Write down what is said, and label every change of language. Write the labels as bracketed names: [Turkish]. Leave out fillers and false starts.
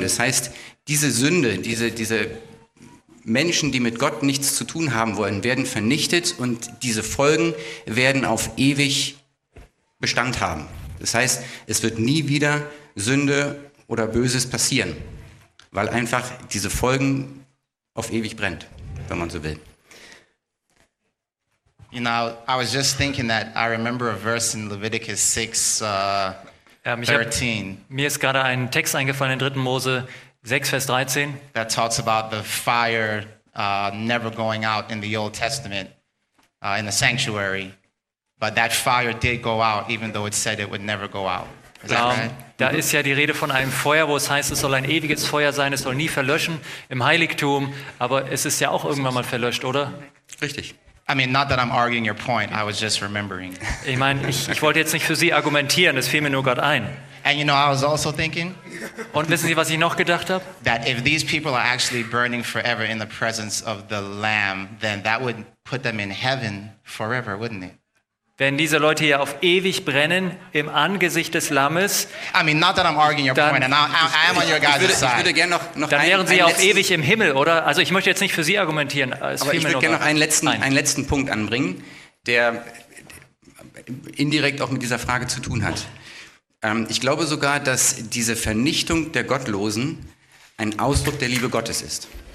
[German] Das heißt, diese Sünde, diese Menschen, die mit Gott nichts zu tun haben wollen, werden vernichtet, und diese Folgen werden auf ewig Bestand haben. Das heißt, es wird nie wieder Sünde oder Böses passieren, weil einfach diese Folgen auf ewig brennt, wenn man so will. [English] You know, I was just thinking that I remember a verse in Leviticus 6, 13. [German] Mir ist gerade ein Text eingefallen in 3. Mose 6 Vers 13. [English] That talks about the fire never going out in the Old Testament in the sanctuary. But that fire did go out, even though it said it would never go out. Is that right? [German] Da ist ja die Rede von einem Feuer, wo es heißt, es soll ein ewiges Feuer sein, es soll nie verlöschen im Heiligtum, aber es ist ja auch irgendwann mal verlöscht, oder? Richtig. [English] I mean, not that I'm arguing your point, I was just remembering. [German] Ich meine, ich wollte jetzt nicht für Sie argumentieren, es fiel mir nur gerade ein. [English] And you know, I was also thinking, [German] und wissen Sie, was ich noch gedacht habe? [English] That if these people are actually burning forever in the presence of the Lamb, then that would put them in heaven forever, wouldn't it? [German] Wenn diese Leute hier auf ewig brennen im Angesicht des Lammes, [English] I mean, not that I'm arguing your point, and I am on your guys' side. [German] Ich würde gerne noch dann wären sie auf ewig im Himmel, oder? Also ich möchte jetzt nicht für Sie argumentieren. Aber ich würde gerne noch einen letzten Punkt anbringen, der indirekt auch mit dieser Frage zu tun hat. Ich glaube sogar, dass diese Vernichtung der Gottlosen ein Ausdruck der Liebe Gottes ist.